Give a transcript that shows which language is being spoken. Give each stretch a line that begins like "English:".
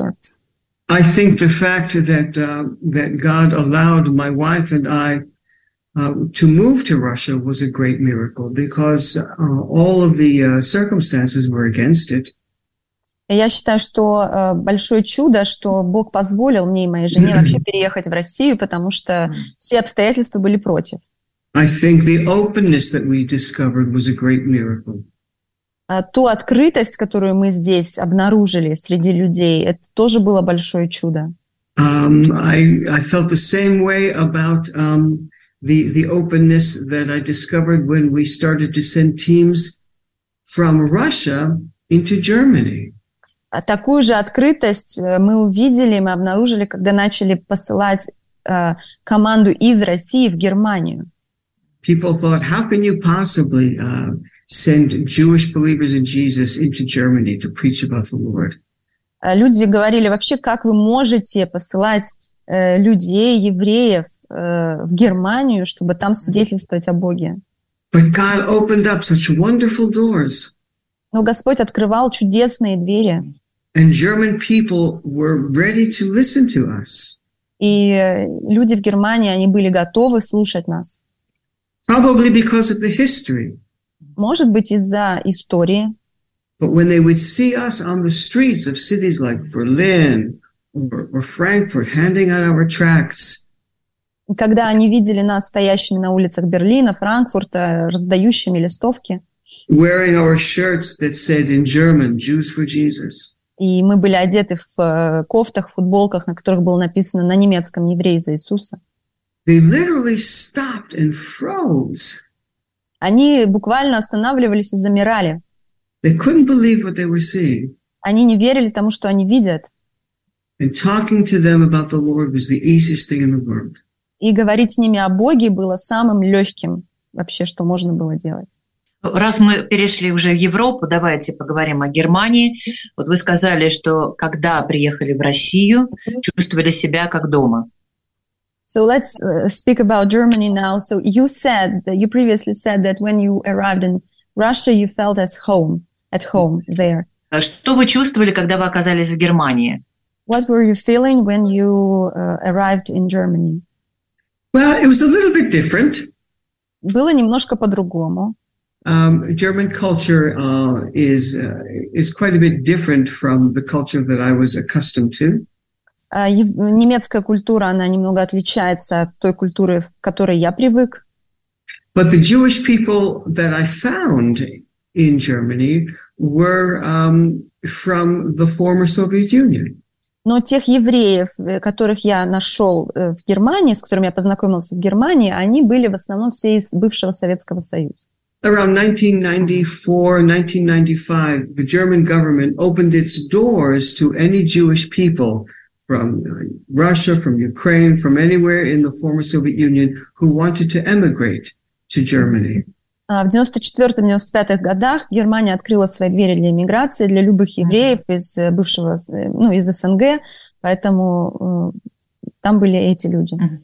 English: Or... I think the fact that that God allowed my wife and I to move to Russia was a great miracle, because all of the circumstances were against it.
Russian: Я считаю, что большое чудо, что Бог позволил мне и моей жене вообще переехать в Россию, потому что все обстоятельства были против.
English: I think the openness that we discovered was a great miracle.
Russian: Ту открытость, которую мы здесь обнаружили среди людей, это тоже было большое чудо.
English: I felt the same way about the openness that I discovered when we started to send teams from Russia into Germany.
Russian: Такую же открытость мы увидели, мы обнаружили, когда начали посылать команду из России в Германию.
English: People thought, how can you possibly send Jewish believers in Jesus into Germany to preach about the Lord?
Russian: Люди говорили, вообще, как вы можете посылать людей, евреев, в Германию, чтобы там свидетельствовать о Боге?
English: But God opened up such wonderful doors.
Russian: Но Господь открывал чудесные двери.
English: And German people were ready to listen to us.
Russian: И люди в Германии, они были готовы слушать нас.
English: Probably because of the history.
Russian: Может быть, из-за истории.
English: But when they would see us on the streets of cities like Berlin or Frankfurt handing out our tracts.
Russian: Когда они видели нас стоящими на улицах Берлина, Франкфурта, раздающими листовки.
English: Wearing our shirts that said in German, Jews for Jesus.
Russian: И мы были одеты в кофтах, футболках, на которых было написано на немецком «Евреи за Иисуса».
English: They literally stopped and froze.
Russian: Они буквально останавливались и замирали.
English: They couldn't believe what they were seeing.
Russian: Они не верили тому, что они видят.
English: And talking to them about the Lord was the easiest thing in the world.
Russian: И говорить с ними о Боге было самым легким вообще, что можно было делать. Раз мы перешли уже в Европу, давайте поговорим о Германии. Вот вы сказали, что когда приехали в Россию, чувствовали себя как дома.
English: So let's speak about Germany now. So you said that you previously said that when you arrived in Russia, you felt as home, at home there.
Russian: Что вы чувствовали, когда вы оказались в Германии?
English: What were you feeling when you arrived in Germany? Well, it was a little bit different.
Russian: Было немножко по-другому.
English: German culture is quite a bit different from the culture that I was accustomed to.
Russian: Немецкая культура, она немного отличается от той культуры, в которой я привык.
English: But the Jewish people that I found in Germany were from the former Soviet Union.
Russian: Но тех евреев, которых я нашел в Германии, с которыми я познакомился в Германии, они были в основном все из бывшего Советского Союза.
English: Around 1994-1995, the German government opened its doors to any Jewish people from Russia, from Ukraine, from anywhere in the former Soviet Union who wanted to emigrate to Germany.
Russian: В 1994-1995 годах Германия открыла свои двери для эмиграции для любых евреев из бывшего, ну, из СНГ, поэтому там были эти люди.